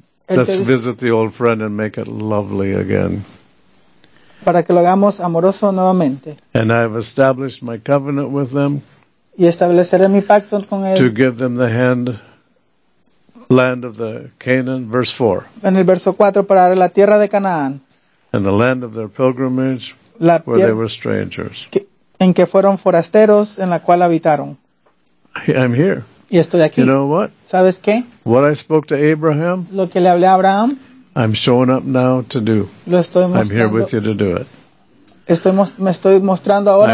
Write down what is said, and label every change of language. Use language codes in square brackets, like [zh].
[en] Let's visit the old friend and make it lovely again. [es] Para que lo hagamos amoroso nuevamente. [en] And I have established my covenant with them. [es] Y estableceré mi pacto con él. [en] To give them the hand, land of the Canaan, verse 4. [es] En el verso 4, para darle la tierra de Canaán. [en] And the land of their pilgrimage, where they were strangers. [es] En que fueron forasteros, en la cual habitaron. [en] I'm here. [es] Y estoy aquí. [en] You know what? [es] ¿Sabes qué? [en] What I spoke to Abraham, [es] lo que le hablé a Abraham, [en] I'm showing up now to do. [es] Lo estoy mostrando. [en] I'm here with you to do it. [es] Me estoy mostrando ahora